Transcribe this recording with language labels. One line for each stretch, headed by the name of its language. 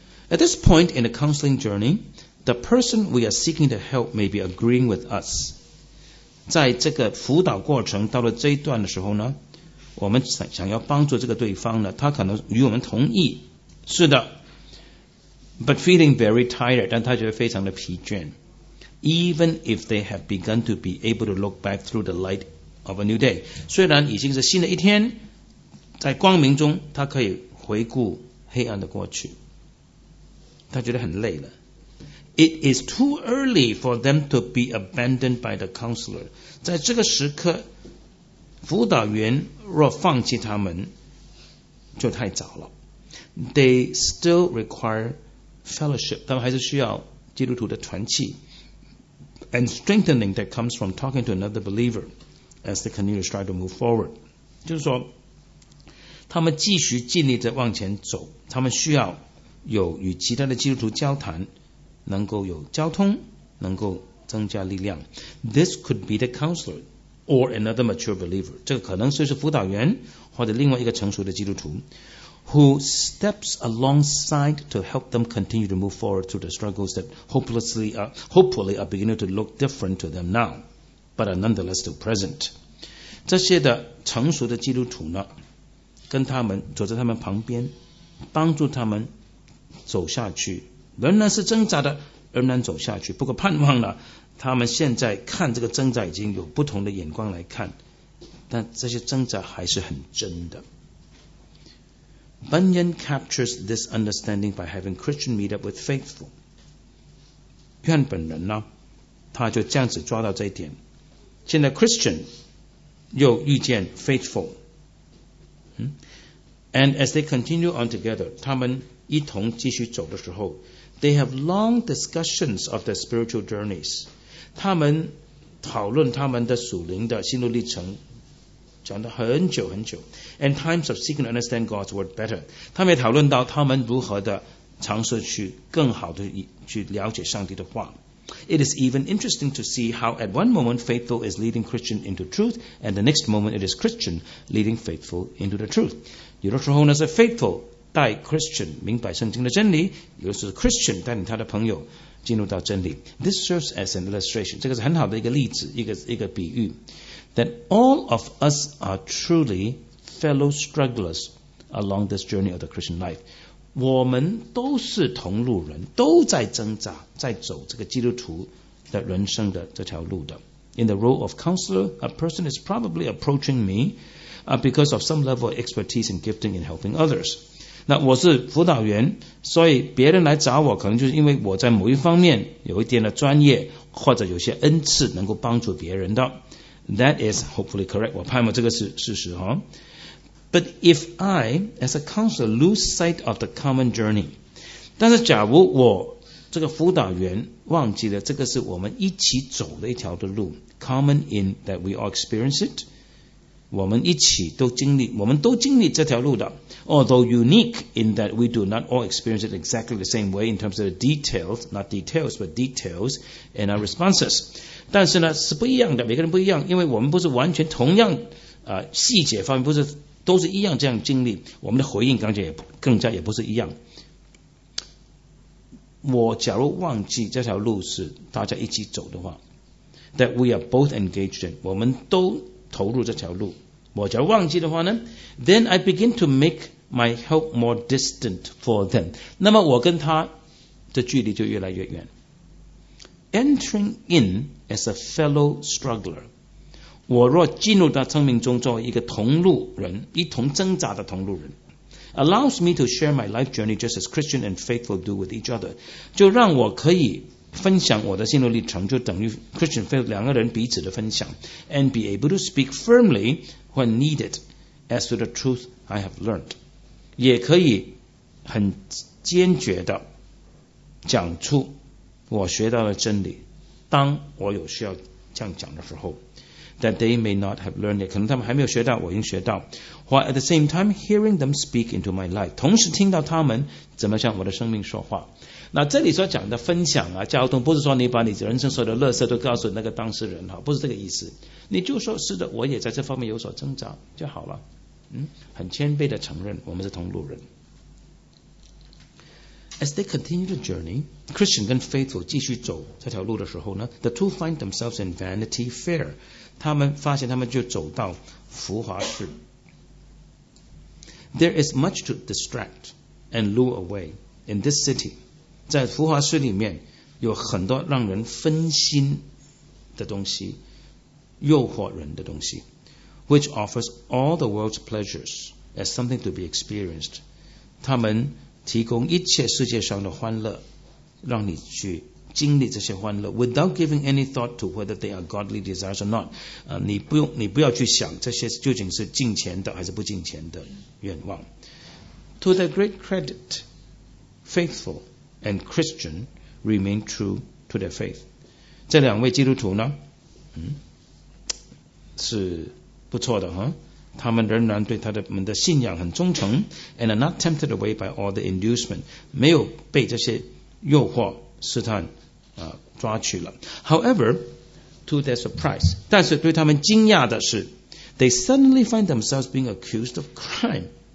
English: At this point in the counseling journey, the person we are seeking to help may be agreeing with us.
Chinese: 在这个辅导过程到了这一段的时候呢，我们想要帮助这个对方呢，他可能与我们同意。是的。
English: But feeling very tired,
Chinese: 但他觉得非常的疲倦。
English: Even if they have begun to be able to look back through the light of a new day.
Chinese: 虽然已经是新的一天，在光明中他可以回顾黑暗的过去，他觉得很累了。
English: It is too early for them to be abandoned by the counselor.
Chinese: 在这个时刻辅导员若放弃他们就太早了。
English: They still require fellowship.
Chinese: 他们还是需要基督徒的团契。
English: And strengthening that comes from talking to another believer as they continue to strive to move forward.
Chinese: 就是说他们继续尽力地往前走，他们需要有与其他的基督徒交谈，能够有交通，能够增加力量。
English: This could be the counselor or another mature believer.
Chinese: 这个可能是辅导员或者另外一个成熟的基督徒
English: who steps alongside to help them continue to move forward through the struggles that hopefully are beginning to look different to them now, but are nonetheless still present.
Chinese: 这些的成熟的基督徒呢跟他们走在他们旁边，帮助他们走下去，仍然是挣扎的，仍然走下去。不过盼望了，他们现在看这个挣扎已经有不同的眼光来看，但这些挣扎还是很真的。
English: Bunyan captures this understanding by having Christian meet up with faithful.
Chinese: 约翰本人呢，他就这样子抓到这一点。现在 Christian 又遇见 faithful。
English: And as they continue on together,
Chinese: 他们一同继续走的时候
English: they have long discussions of their spiritual journeys.
Chinese: 他们讨论他们的属灵的心路历程，讲得很久很久。
English: And times of seeking to understand God's word better.
Chinese: 他们也讨论到他们如何的尝试去更好的去了解上帝的话。
English: It is even interesting to see how at one moment faithful is leading Christian into truth, and the next moment it is Christian leading faithful into the truth.
Chinese: 有的时候呢是 faithful 带 Christian 明白圣经的真理，有的是 Christian 带领他的朋友进入到真理。
English: This serves as an illustration.
Chinese: 这个是很好的一个例子，一个比喻。
English: That all of us are truly fellow strugglers along this journey of the Christian life.
Chinese: 我们都是同路人，都在挣扎，在走这个基督徒的人生的这条路的。
English: In the role of counselor, a person is probably approaching me, because of some level of expertise and gifting in helping others.
Chinese: 那我是辅导员，所以别人来找我可能就是因为我在某一方面有一点的专业，或者有些恩赐能够帮助别人的。
English: That is hopefully correct.
Chinese: 我盼望这个是事实哦。
English: But if I, as a counselor, lose sight of the common journey,
Chinese: 但是假如我这个辅导员忘记了这个是我们一起走的一条的路
English: common in that we all experience it,
Chinese: 我们一起都经历，我们都经历这条路的
English: although unique in that we do not all experience it exactly the same way in terms of the details, not details, but details and our responses.
Chinese: 但是呢是不一样的，每个人不一样，因为我们不是完全同样、细节方面不是都是一样这样经历，我们的回应更加也不是一样。我假如忘记这条路是大家一起走的话
English: that we are both engaged in,
Chinese: 我们都投入这条路，我假如忘记的话呢
English: then I begin to make my help more distant for them,
Chinese: 那么我跟他的距离就越来越远。
English: Entering in as a fellow struggler,
Chinese: 我若进入到生命中作为一个同路人，一同挣扎的同路人，
English: allows me to share my life journey just as Christian and faithful do with each other.
Chinese: 就让我可以分享我的心路历程，就等于
English: Christian and faithful
Chinese: 两个人彼此的分享，
English: and be able to speak firmly when needed as to the truth I have learned.
Chinese: 也可以很坚决地讲出我学到的真理，当我有需要这样讲的时候。
English: That they may not have learned it.
Chinese: 可能他们还没有学到，我已经学到。
English: While at the same time hearing them speak into my life.
Chinese: 同时听到他们怎么向我的生命说话。那这里所讲的分享啊，交通不是说你把你人生所有的垃圾都告诉那个当事人，不是这个意思。你就说是的，我也在这方面有所挣扎就好了。嗯，很谦卑的承认我们是同路人。
English: As they continue the journey, Christian
Chinese: 跟
English: faithful
Chinese: 继续走这条路的时候呢
English: the two find themselves in Vanity Fair.
Chinese: 他们发现他们就走到浮华市。
English: There is much to distract and lure away in this city.
Chinese: 在浮华市里面有很多让人分心的东西，诱惑人的东西，
English: which offers all the world's pleasures as something to be experienced.
Chinese: 他们提供一切世界上的欢乐，让你去经历这些欢乐 ，
English: without giving any thought to whether they are godly desires or not。
Chinese: 你不要去想这些究竟是敬虔的还是不敬虔的愿望。
English: To their great credit, faithful and Christian remain true to their faith。
Chinese: 这两位基督徒呢，嗯，是不错的哈。他们仍然对他们的信仰很忠诚
English: and are not tempted away by all the inducement
Chinese: 没有被这些诱惑试探、抓去了
English: However, to their surprise
Chinese: 但是对他们惊讶的是
English: they suddenly find themselves being accused of crime